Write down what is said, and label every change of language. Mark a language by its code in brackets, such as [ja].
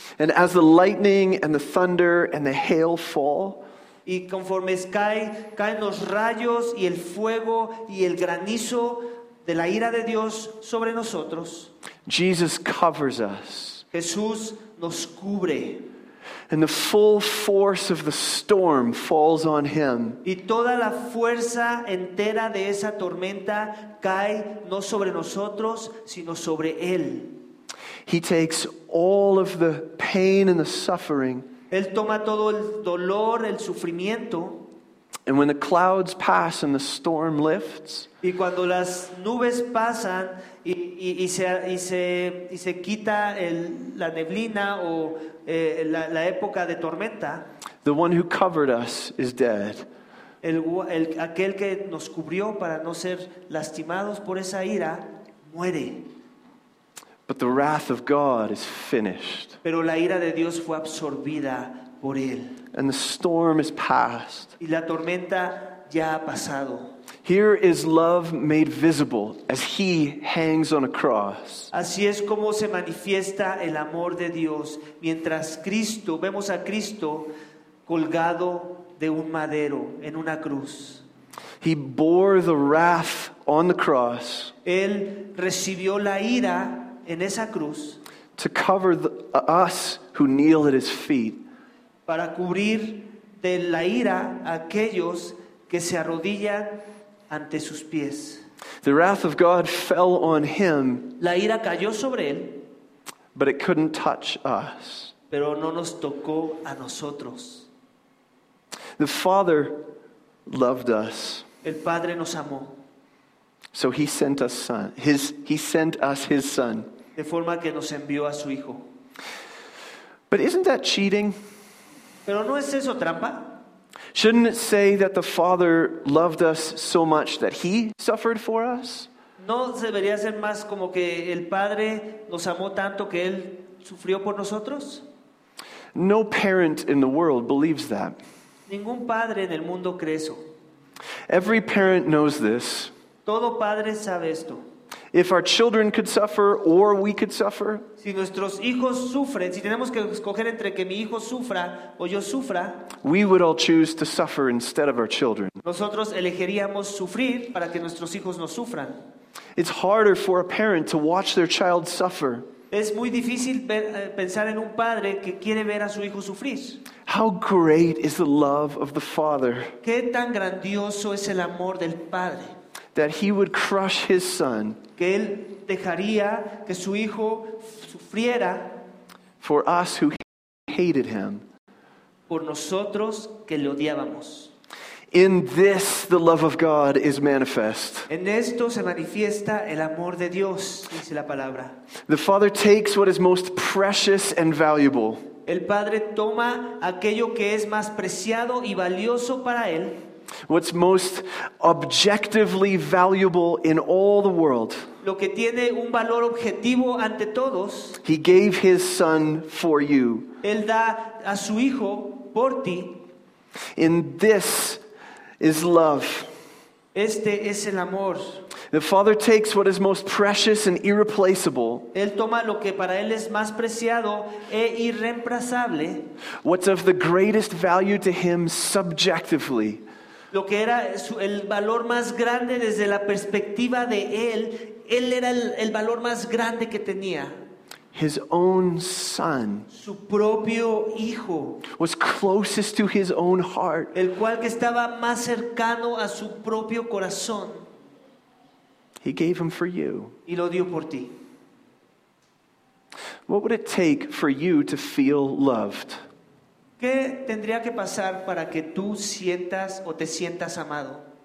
[en] And as the lightning and the thunder and the hail fall, [es] y conforme caen los rayos y el fuego y el granizo de la ira de Dios sobre nosotros, [en] Jesus covers us. [es] Jesús nos cubre. [en] And the full force of the storm falls on Him. [es] Y toda la fuerza entera de esa tormenta cae no sobre nosotros, sino sobre Él. [en] He takes all of the pain and the suffering. [es] Él toma todo el dolor, el sufrimiento. [en] And when the clouds pass and the storm lifts. [es] Y cuando las nubes pasan y se quita la neblina o la época de tormenta. [en] The one who covered us is dead. [es] Aquel que nos cubrió para no ser lastimados por esa ira muere. [en] But the wrath of God is finished. [es] Pero la ira de Dios fue absorbida por él. [en] And the storm is past. [es] Y la tormenta ya ha pasado. [en] Here is love made visible as he hangs on a cross. [es] Así es como se manifiesta el amor de Dios mientras Cristo, vemos a Cristo colgado de un madero en una cruz. [en] He bore the wrath on the cross. [es] Él recibió la ira en esa cruz. [en] To cover us who kneel at his feet. [es] Para cubrir de la ira aquellos que se arrodillan ante sus pies. [en] The wrath of God fell on him. [es] La ira cayó sobre él. [en] But it couldn't touch us. [es] Pero no nos tocó a nosotros. [en] The Father loved us. [es] El Padre nos amó. [en] So he sent us son. He sent us his son. [es] De forma que nos envió a su hijo. [en] But isn't that cheating? [es] ¿Pero no es eso trampa? [en] Shouldn't it say that the Father loved us so much that he suffered for us? [es] ¿No debería ser más como que el Padre nos amó tanto que él sufrió por nosotros? [en] No parent in the world believes that. [es] Ningún padre en el mundo cree eso. [en] Every parent knows this. [es] Todo padre sabe esto. [en] If our children could suffer or we could suffer. [es] Si nuestros hijos sufren, si tenemos que escoger entre que mi hijo sufra o yo sufra, [en] we would all choose to suffer instead of our children. [es] Nosotros elegiríamos sufrir para que nuestros hijos no sufran. [en] It's harder for a parent to watch their child suffer. [es] Es muy difícil pensar en un padre que quiere ver a su hijo sufrir. [en] How great is the love of the Father. [es] Qué tan grandioso es el amor del Padre. [en] That he would crush his son. [es] Que él dejaría que su hijo sufriera. [en] For us who hated him. [es] Por nosotros que le odiábamos. [en] In this the love of God is manifest. [es] En esto se manifiesta el amor de Dios, dice la palabra. [en] The Father takes what is most precious and valuable. [es] El Padre toma aquello que es más preciado y valioso para él. [en] What's most objectively valuable in all the world. [es] Lo que tiene un valor objetivo ante todos. [en] He gave his son for you. [es] Él da a su hijo por ti. [en] In this is love. [es] Este es el amor. [en] The Father takes what is most precious and irreplaceable. [es] Él toma lo que para él es más preciado e irreemplazable. [en] What's of the greatest value to him subjectively. [es] Lo que era el valor más grande desde la perspectiva de él, él era el valor más grande que tenía. [en] His own son. [es] Su propio hijo. [en] Was closest to his own heart. [es] El cual que estaba más cercano a su propio corazón. [en] He gave him for you. [es] Y lo dio por ti. [en] What would it take for you to feel loved? [es] ¿Qué tendría que pasar para que tú sientas o te sientas amado?